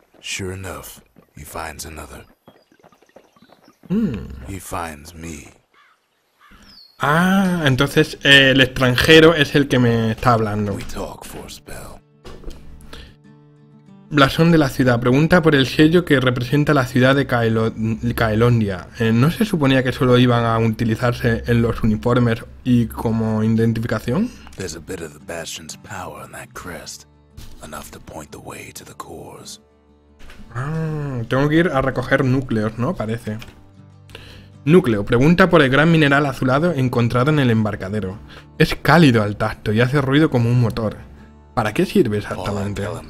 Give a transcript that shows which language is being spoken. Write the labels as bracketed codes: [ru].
[en] Sure enough, he finds another. He finds me. [es] Ah, entonces el extranjero es el que me está hablando. [en] We talk for spell. [es] Blasón de la ciudad. Pregunta por el sello que representa la ciudad de Caelondia. ¿No se suponía que solo iban a utilizarse en los uniformes y como identificación? [en] There's a bit of the Bastion's power in that crest. Enough to point the way to the cores. [es] Tengo que ir a recoger núcleos, ¿no? Parece. Núcleo. Pregunta por el gran mineral azulado encontrado en el embarcadero. Es cálido al tacto y hace ruido como un motor. ¿Para qué sirve exactamente?